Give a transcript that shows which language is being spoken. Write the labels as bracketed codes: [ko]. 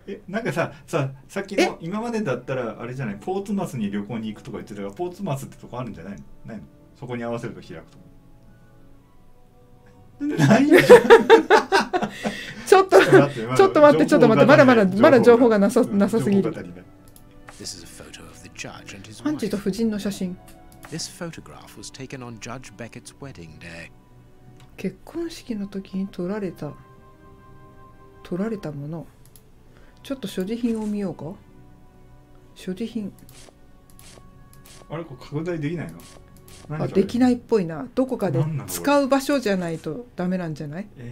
[ja] なんかさっきの今までだったらあれじゃない、ポーツマスに旅行に行くとか言ってたから、ポーツマスってとこあるんじゃないの？ないの？そこに合わせると開くと。ちょっと待って、まだまだまだ情報がなさすぎる。 [en] This is a photo of the judge and his wife. [ja] 判事と夫人の写真。 [en] This photograph was taken on Judge Beckett's wedding day. [ja] 結婚式の時に撮られたもの。ちょっと所持品を見ようか。所持品。あれ、これ拡大できないの？あ、できないっぽいな。どこかで使う場所じゃないとダメなんじゃない？